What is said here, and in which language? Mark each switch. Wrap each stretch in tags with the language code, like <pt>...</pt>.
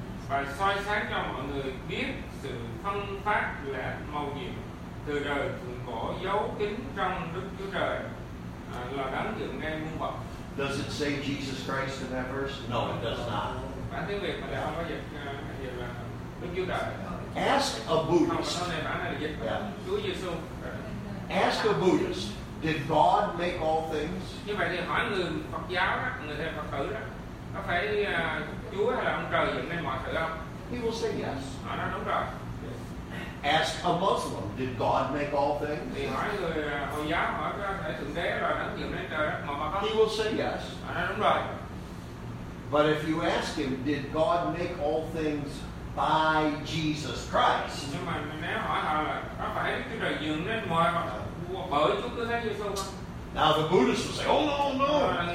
<vi>Và soi sáng cho mọi người biết sự phân phát là màu nhiệm từ đời thượng cổ giấu kín trong Đức Chúa Trời là đáng dựng nên muôn vật.</vi> <en>Does it say Jesus Christ in that verse? No, it does not.</en> <vi>Bản tiếng Việt mà đã không có dịch là Đức Chúa Trời.</vi> <en>Ask a Buddhist.</en> <vi>Không, này bản này là dịch Chúa Giêsu.</vi> <en>Ask a Buddhist. Did God make all things?</en> <vi>Như vậy thì hỏi người Phật giáo đó, người theo Phật tử đó, có phải Chúa hay là ông trời dựng nên mọi thứ không?</vi> <en>He will say yes.</en> <vi>Họ nói đúng rồi.</vi> <en>Ask a Muslim, did God make all things?</en> <vi>Thì hỏi người Hồi giáo hỏi cái thượng đế rồi đấng dựng nên trời đất mà không?</vi> <en>He will say yes.</en> <vi>Họ nói đúng rồi.</vi> <en>But if you ask him, did God make all things by Jesus Christ?</en> <vi>Nhưng mà nếu hỏi họ là có phải Đức Chúa Trời dựng nên mọi thứ bởi Chúa Cứu Thế Giêsu không?</vi> <en>Now the Buddhist will say, oh no, no.</en>